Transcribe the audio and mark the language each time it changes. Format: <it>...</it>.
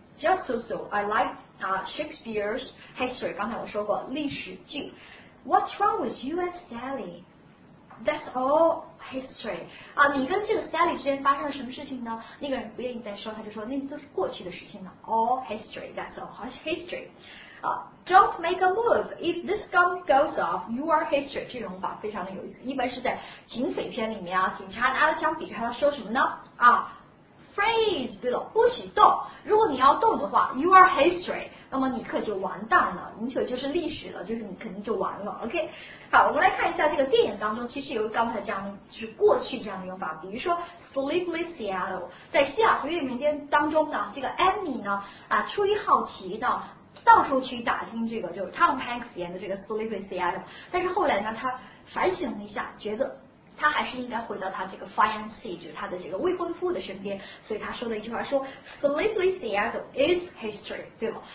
<en>Just so so， I like 啊、Shakespeare's history。刚才我说过历史剧。 What's wrong with you and Sally？</en> <zh>That's all history 啊！你跟这个 Sally 之间发生了什么事情呢？那个人不愿意再说，他就说那都是过去的事情了。</zh> <en>All history, that's all history. 啊 ，Don't make a move. If this gun goes off, you are history.</en> <zh>这种法非常的有意思，一般是在警匪片里面啊，警察拿了枪比着他说什么呢？啊 ，freeze， 对了，不许动。如果你要动的话 ， you are history。那么你可就完蛋了，你可就是历史了，就是你肯定就完了 ，OK。好，我们来看一下这个电影当中，其实有刚才这样就是过去这样的用法，比如说 Sleepless Seattle， 在西雅图夜明天当中呢，这个 Amy 呢啊出于好奇呢，到处去打听这个就是 Tom Hanks 演的这个 Sleepless Seattle， 但是后来呢，他反省了一下，觉得他还是应该回到他这个 fiancé， 就是他的这个未婚夫的身边，所以他说的一句话说 Sleepless Seattle is history，对吧？</zh>